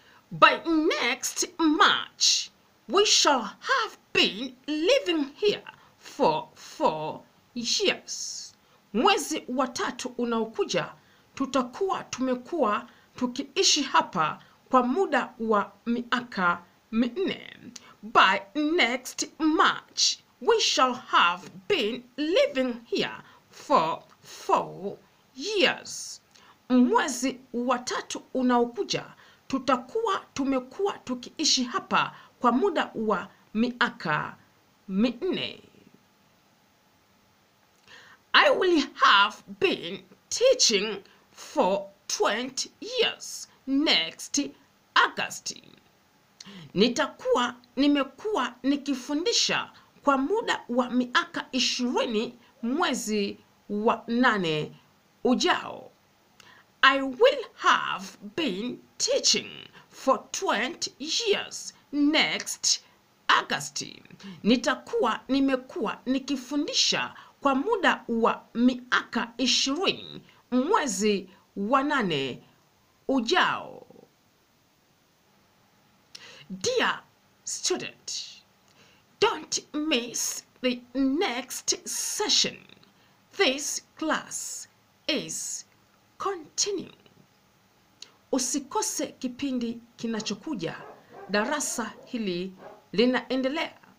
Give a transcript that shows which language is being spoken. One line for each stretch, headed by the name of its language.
English: By next March, we shall have been living here for 4 years.
Swahili: Mwezi wa tatu unaokuja, tutakuwa tumekuwa tukiishi hapa kwa muda wa miaka minne.
English: By next March, we shall have been living here for 4 years.
Swahili: Mwezi wa tatu unaokuja, tutakuwa tumekuwa tukiishi hapa kwa muda wa miaka minne.
English: I will have been teaching for 20 years next August.
Swahili: Nitakuwa nimekuwa nikifundisha kwa muda wa miaka 20 mwezi wa 8 ujao.
English: I will have been teaching for 20 years next August.
Swahili: Nitakuwa nimekuwa nikifundisha kwa muda wa miaka 20 mwezi wa 8 ujao.
English: Dear student, don't miss the next session. This class is continue.
Swahili: Usikose kipindi kinachokuja, darasa hili linaendelea.